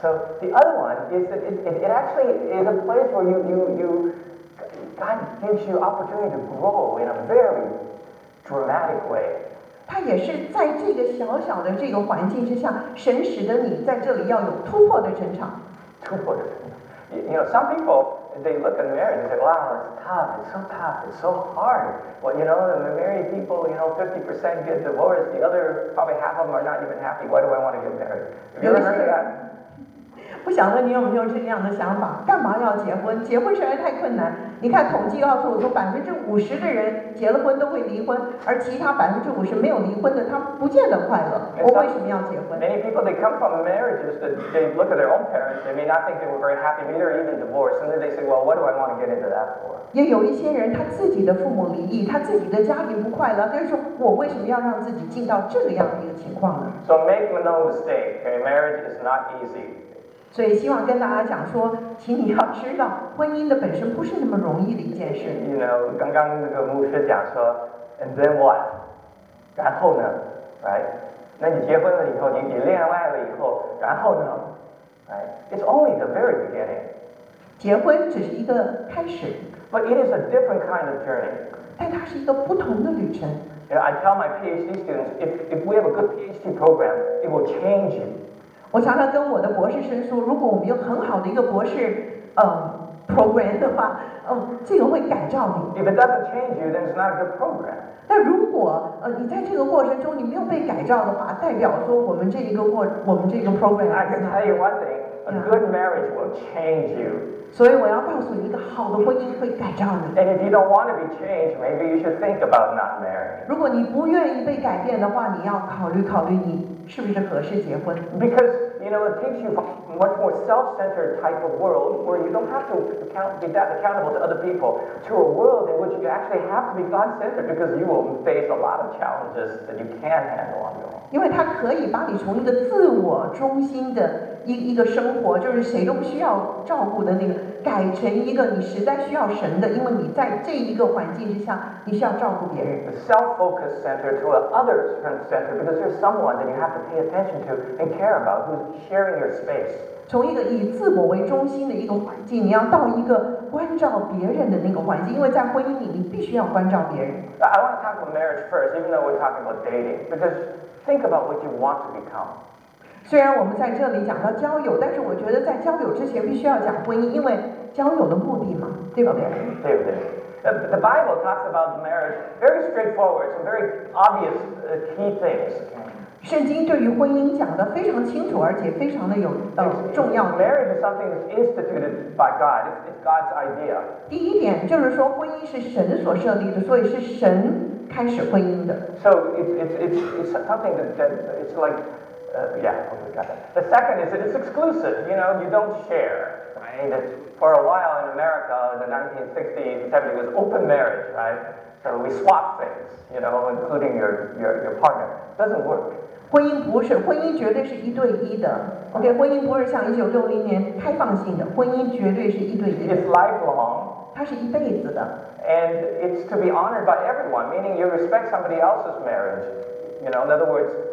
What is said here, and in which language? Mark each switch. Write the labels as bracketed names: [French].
[English] So the other one is that it actually is a place where you God gives you opportunity to grow in a very dramatic way. [Chinese] 他也是在这个小小的这个环境之下，神使得你在这里要有突破的成长。突破的成长。 [English] You know, some people they look at marriage and say, "Wow, it's tough. It's so tough. It's so hard." Well, you know, the married people, you know, 50% get divorced. The other probably half of them are not even happy. Why do I want to get married? Have you ever heard of that? [Chinese] 不想问你有没有这样的想法？干嘛要结婚？结婚实在太困难。你看统计告诉我说，50%的人结了婚都会离婚，而其他50%没有离婚的，他不见得快乐。我为什么要结婚 [English] ？Many people they come from marriages that they look at their own parents. They may not think they were very happy, either even divorced, and then they say, "Well, what do I want to get into that for?" [Chinese] 也有一些人他自己的父母离异，他自己的家庭不快乐，他说我为什么要让自己进到这个样的一个情况呢 [English] ？So make no mistake, okay, marriage is not easy. [Chinese] 所以希望跟大家讲说，请你要知道，婚姻的本身不是那么容易的一件事。 [English] You know, [Chinese] 刚刚那个牧师讲说 [English] ，and then what? [Chinese] 然后呢 ，right? 那你结婚了以后，你恋爱了以后，然后呢 ，right? [English] It's only the very beginning. [Chinese] 结婚只是一个开始。 [English] But it is a different kind of journey. [Chinese] 但它是一个不同的旅程。 [English] You know, I tell my PhD students, if we have a good PhD program, it will change you. [Chinese] 我常常跟我的博士生说，如果我们有很好的一个博士 program 的话，这个会改造你。 [English] If it doesn't change you, then it's not a good program. [Chinese] 但如果你在这个过程中你没有被改造的话，代表说我们这一个过我们这个 program。 [English] I can tell you one thing. A good marriage will change you. [Chinese] 所以我要告诉你，一个好的婚姻会改造你。 [English] And if you don't want to be changed, maybe you should think about not marrying. [Chinese] 如果你不愿意被改变的话，你要考虑考虑你是不是合适结婚。 [English] Because you know it takes you a much more self-centered type of world where you don't have to be that accountable to other people, to a world in which you actually have to be God-centered because you will face a lot of challenges that you can't handle on your own. [Chinese] 因为它可以把你从一个自我中心的一个生活，就是谁都需要照顾的那个，改成一个你实在需要神的，因为你在这一个环境之下，你需要照顾别人。 [English] The self-focused center to an other-centered, because there's someone that you have to pay attention to and care about who's sharing your space. [Chinese] 从一个以自我为中心的一个环境，你要到一个关照别人的那个环境，因为在婚姻里，你必须要关照别人。 [English] I want to talk about marriage first, even though we're talking about dating, because think about what you want to become. [Chinese] 虽然我们在这里讲到交友，但是我觉得在交友之前必须要讲婚姻，因为交友的目的嘛，对不对？ Okay, 对不对？ [English] The Bible talks about marriage very straightforward, some very obvious key things. [Chinese] 圣经对于婚姻讲得非常清楚，而且非常的有重要。 [English] Marriage is something that's instituted by God. It's God's idea. [Chinese] 第一点就是说，婚姻是神所设立的，所以是神开始婚姻的。 [English] So it's something that it's like. Got that. The second is that it's exclusive. You know, you don't share. Right? For a while in America, the 1960s and 70s was open marriage, right? So we swap things, you know, including your partner. It doesn't work. [Chinese] 婚姻不是，婚姻绝对是一对一的。OK， 婚姻不是像1960年开放性的，婚姻绝对是一对一的。 [English] It's lifelong. [Chinese] 它是一辈子的。 [English] And it's to be honored by everyone, meaning you respect somebody else's marriage. You know, in other words.